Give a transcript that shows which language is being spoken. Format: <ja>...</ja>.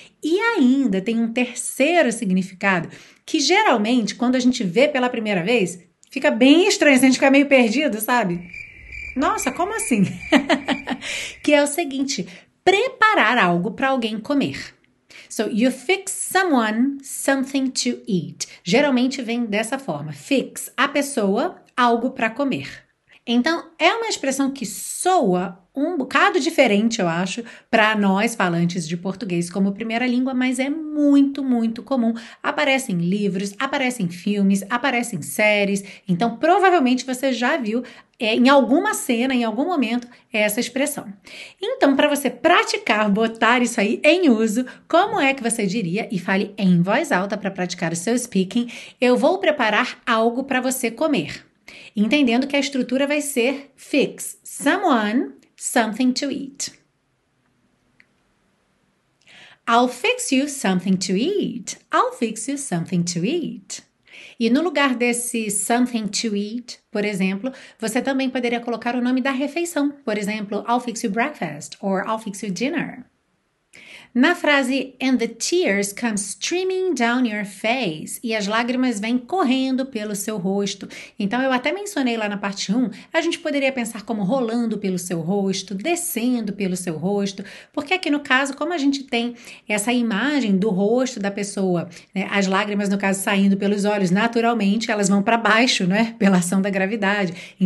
<pt>E ainda tem um terceiro significado, que geralmente, quando a gente vê pela primeira vez, fica bem estranho, a gente fica meio perdido, sabe? Nossa, como assim? Que é o seguinte, preparar algo para alguém comer.</pt> <en>So, you fix someone something to eat.</en> <pt>Geralmente vem dessa forma, fix a pessoa algo para comer. Então, é uma expressão que soa um bocado diferente, eu acho, para nós falantes de português como primeira língua, mas é muito, muito comum. Aparece em livros, aparece em filmes, aparece em séries. Então, provavelmente você já viu em alguma cena, em algum momento, essa expressão. Então, para você praticar, botar isso aí em uso, como é que você diria, e fale em voz alta para praticar o seu speaking, eu vou preparar algo para você comer. Entendendo que a estrutura vai ser</pt> <en>fix someone something to eat. I'll fix you something to eat. I'll fix you something to eat.</en> <pt>E no lugar desse something to eat, por exemplo, você também poderia colocar o nome da refeição. Por exemplo,</pt> <en>I'll fix you breakfast or I'll fix you dinner.</en> <pt>Na frase,</pt> <en>and the tears come streaming down your face,</en> <pt>e as lágrimas vêm correndo pelo seu rosto. Então, eu até mencionei lá na parte 1, a gente poderia pensar como rolando pelo seu rosto, descendo pelo seu rosto, porque aqui no caso, como a gente tem essa imagem do rosto da pessoa, né, as lágrimas, no caso, saindo pelos olhos, naturalmente elas vão para baixo, né, pela ação da gravidade.</pt>